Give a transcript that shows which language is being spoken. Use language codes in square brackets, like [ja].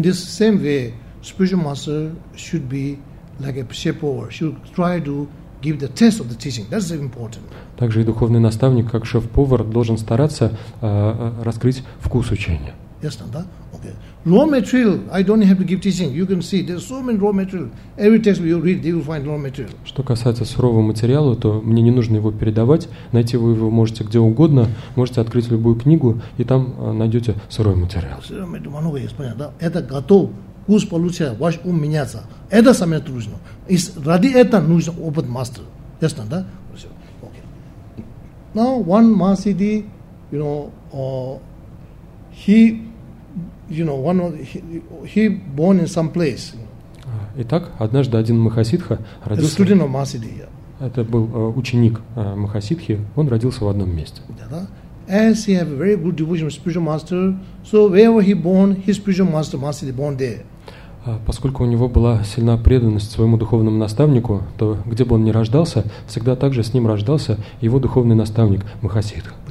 [en] In this same way, spiritual master should be like a chef-повар, should try to give the taste of the teaching. That's important. [ru] Также и духовный наставник, как шеф-повар, должен стараться раскрыть вкус учения. Ясно, да? [en] Raw material, I don't have to give teaching. You can see, there's so many raw material. Every text you read, they will find raw material. [ru] Что касается сырого материала, то мне не нужно его передавать. Найти вы его можете где угодно. Можете открыть любую книгу, и там найдете сырой материал. Сырой материал много есть, понятно, да? Это готов. Вкус получается, ваш ум меняется. Это самое трудное. И ради этого нужен опыт мастера. Ясно, да? Okay. [en] Now, one Mahasiddhi, you know, he born in some place. [ru] Итак, однажды один Махасидха родился. [en] A student of Mahasiddhi. [ru] Это был ученик Махасидхи. Он родился в одном месте. [en] As he have a very good devotion with spiritual master, so wherever he born, his spiritual master Mahasiddhi born there. [ru] Поскольку у него была сильна преданность своему духовному наставнику, то где бы он ни рождался, всегда также с ним рождался его духовный наставник Махасидха.